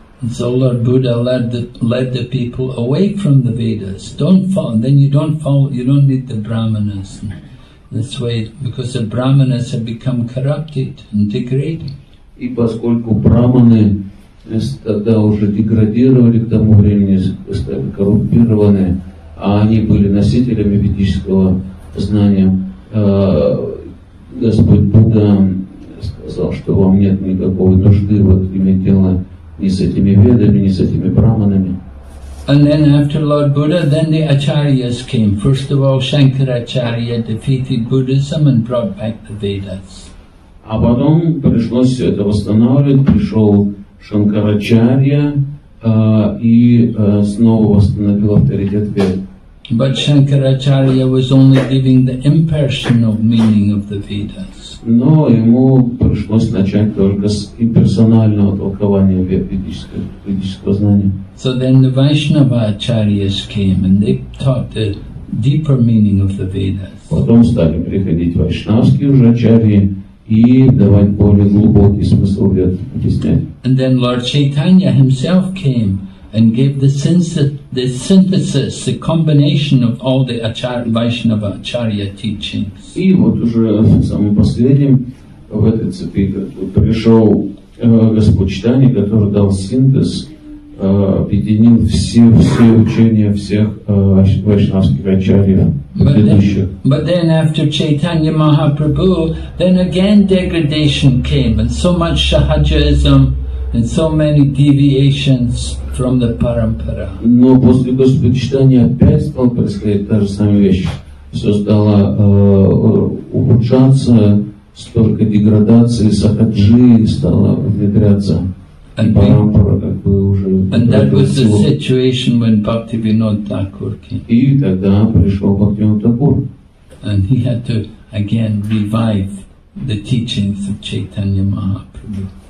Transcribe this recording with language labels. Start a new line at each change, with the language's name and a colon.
English: So Lord Buddha led the people away from the Vedas. Don't follow, then you don't follow, you don't need the Brahmanas. That's why, because the Brahmanas have become corrupted and degraded.
Russian: И поскольку Брахманы тогда уже деградировали к тому времени, стали коррумпированы, а они были носителями ведического знания, Господь Будда сказал, что вам нет никакой нужды вот иметь дело ни с этими ведами, ни с этими браманами.
English: And then after Lord Buddha, then the Acharyas came. First of all, Shankaracharya defeated Buddhism and brought back the Vedas.
Russian: А потом пришлось все это восстанавливать, пришел Шанкарачарья, снова восстановил авторитет Вед.
English: But Shankaracharya was only giving the impersonal meaning of the Vedas.
Russian: Но ему пришлось начать только с имперсонального толкования ведического знания.
English: So then the Vaishnava Acharyas came and they taught the deeper meaning of the Vedas.
Russian: Потом стали приходить вайшнавские уже ачарьи и давать более глубокий смысл вед объяснять.
English: And then Lord Chaitanya himself came and gave the synthesis, the combination of all the Vaishnava Acharya teachings.
Russian: И вот уже самым последним в этой цепи пришел Господь Чайтанья, который дал синтез, объединил все учения всех вайшнавских ачарьев.
English: But then after Chaitanya Mahaprabhu, then again degradation came and so much Sahajism and so many deviations from the parampara.
Russian: Но после Господчитания опять стал происходить та же самая вещь. Все стало ухудшаться, столько деградации, сахаджи стало внедряться.
English: And, and that was the situation when Bhaktivinoda Thakur came. And he had to again revive the teachings of Chaitanya Mahaprabhu.